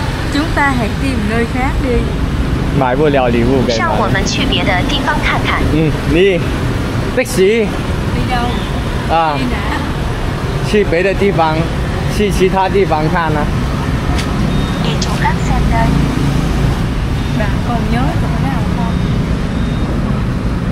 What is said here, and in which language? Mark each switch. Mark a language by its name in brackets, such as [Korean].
[Vietnamese] chúng ta hãy tìm nơi khác đi。 [Chinese] 买不了礼物给你。让我们去别的地方看看。嗯，你，的士。你要。啊。去别的地方，去其他地方看呢、啊。你住哪里？ [Vietnamese] bạn còn nhớ chỗ nào không？